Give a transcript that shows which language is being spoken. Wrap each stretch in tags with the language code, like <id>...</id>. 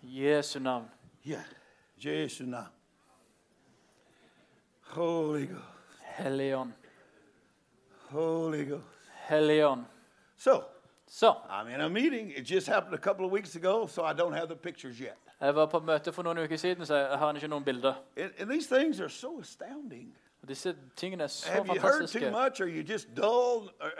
<en>Yes, no. Yeah. Jesus name. Holy Ghost. Helion. Holy Ghost. Helion. So. I'm in a meeting. It just happened a couple of weeks ago, so I don't have the pictures yet.</en> <sv>Jag var på möte för några veckor sedan, så jag har inte någon bilder.</sv> <en>And these things are so astounding.</en> <sv>Dessa tingen är så fantastiska.</sv> <en>Have you heard too much, or are you just dull?</en>